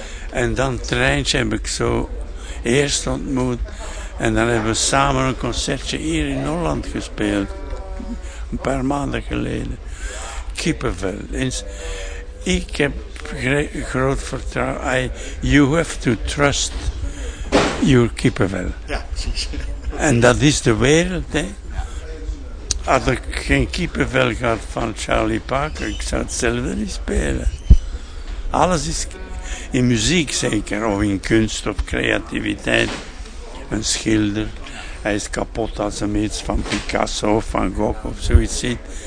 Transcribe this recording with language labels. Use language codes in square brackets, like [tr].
[nl] En dan Treintje heb ik zo eerst ontmoet. En dan hebben we samen een concertje hier in Holland gespeeld. Een paar maanden geleden. Kippenvel. Ik heb groot vertrouwen. [en] You have to trust your kippenvel. [nl] Ja, precies. En dat is de wereld, hè. Had ik geen kippenvel gehad van Charlie Parker, ik zou hetzelfde niet spelen. Alles is in muziek zeker, of in kunst of creativiteit. Een schilder, hij is kapot als hij iets van Picasso of Van Gogh of zoiets ziet.